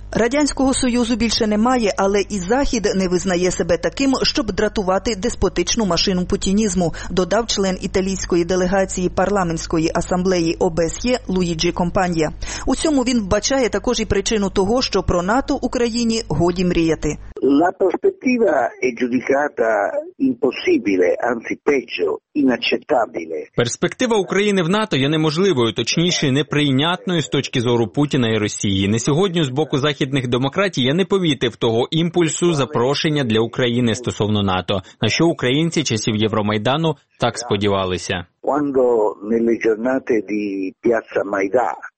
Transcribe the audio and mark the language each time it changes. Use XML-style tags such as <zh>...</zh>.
<uk>Радянського Союзу більше немає, але і Захід не визнає себе таким, щоб дратувати деспотичну машину путінізму, додав член італійської делегації парламентської асамблеї ОБСЄ Луїджі Компанія. У цьому він вбачає також і причину того, що про НАТО Україні годі мріяти.</uk> <it>La prospettiva è giudicata impossibile, anzi peggio, inaccettabile.</it> <uk>Перспектива України в НАТО є неможливою, точніше, неприйнятною з точки зору Путіна і Росії. Не сьогодні з боку західних демократій я не повітив того імпульсу запрошення для України стосовно НАТО, на що українці часів Євромайдану так сподівалися.</uk> <it>Quando nelle giornate di Piazza Maidan,</it>